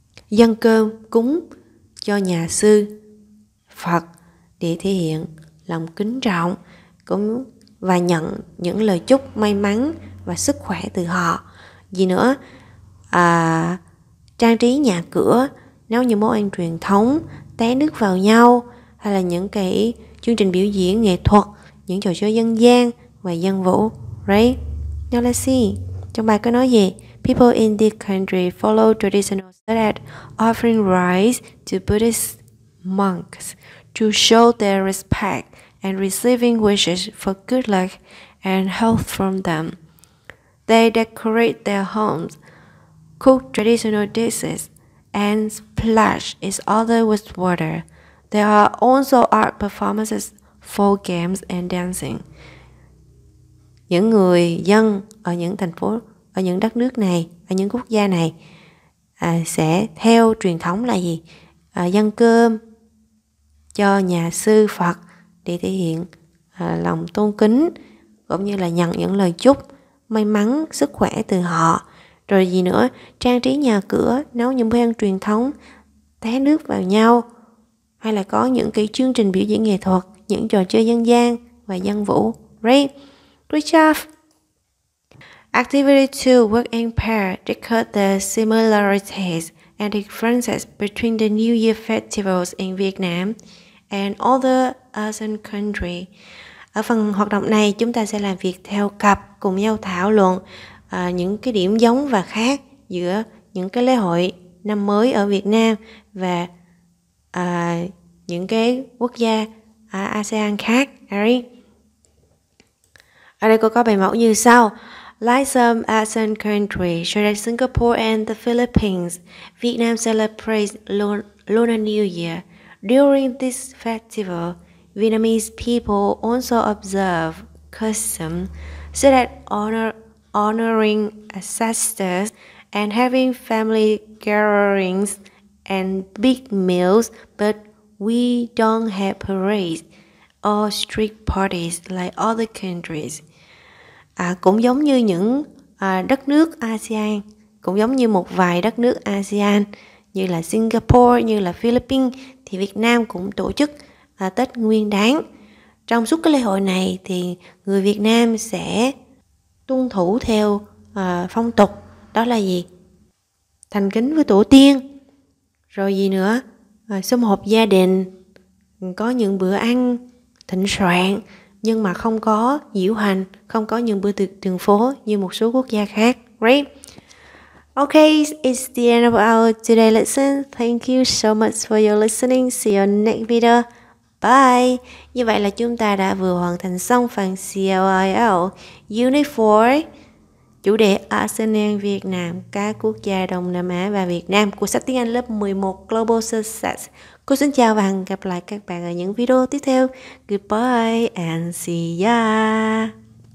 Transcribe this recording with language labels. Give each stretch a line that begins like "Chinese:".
Vietnamese: Dâng cơm cúng cho nhà sư Phật để thể hiện lòng kính trọng cũng và nhận những lời chúc may mắn và sức khỏe từ họ. Gì nữa? Trang trí nhà cửa nấu những món ăn truyền thống, té nước vào nhau, hay là những cái chương trình biểu diễn nghệ thuật, những trò chơi dân gian và dân vũ, right?
English: Now let's see.
Vietnamese: Trong bài có nói gì?
English: People in this country follow traditional diet, offering rice to Buddhist monks to show their respect and receiving wishes for good luck and health from them. They decorate their homes, cook traditional dishes, and splash each other with water. There are also art performances, folk games, and dancing.
Vietnamese: Những người dân ở những thành phố, ở những đất nước này, ở những quốc gia này sẽ theo truyền thống là gì? Dâng cơm cho nhà sư Phật để thể hiện lòng tôn kính, cũng như là nhận những lời chúc may mắn, sức khỏe từ họ. Rồi gì nữa? Trang trí nhà cửa, nấu những món ăn truyền thống, té nước vào nhau, hay là có những cái chương trình biểu diễn nghệ thuật, những trò chơi dân gian và dân vũ.
English: Right? Good job. Activity 2, work in pair, discuss the similarities and differences between the New Year festivals in Vietnam and other ASEAN countries.
Vietnamese: Ở phần hoạt động này, chúng ta sẽ làm việc theo cặp, cùng nhau thảo luận những cái điểm giống và khác giữa những cái lễ hội năm mới ở Việt Nam và những cái quốc gia ASEAN khác. Harry. Ở đây có bài mẫu như sau.
English: Like some ASEAN countries, such as Singapore and the Philippines, Vietnam celebrates Lunar New Year. During this festival, Vietnamese people also observe customs such as honoring ancestors and having family gatherings and big meals, but we don't have parades or street parties like other countries.
Vietnamese: Cũng giống như những đất nước ASEAN, cũng giống như một vài đất nước ASEAN như là Singapore, như là Philippines, thì Việt Nam cũng tổ chức Tết Nguyên Đán. Trong suốt cái lễ hội này thì người Việt Nam sẽ tuân thủ theo phong tục, đó là gì? Thành kính với tổ tiên. Rồi gì nữa? Sum họp gia đình, có những bữa ăn thịnh soạn, nhưng mà không có diễu hành, không có những bữa tiệc đường phố như một số quốc gia khác.
English: Right? Okay, it's the end of our today lesson. Thank you so much for your listening. See you next video. Bye!
Vietnamese: Như vậy là chúng ta đã vừa hoàn thành xong phần CLIL Unit 4, chủ đề ASEAN Việt Nam, các quốc gia Đông Nam Á và Việt Nam của sách tiếng Anh lớp 11 Global Success. Cô xin chào và hẹn gặp lại các bạn ở những video tiếp theo.
English: Goodbye and see ya!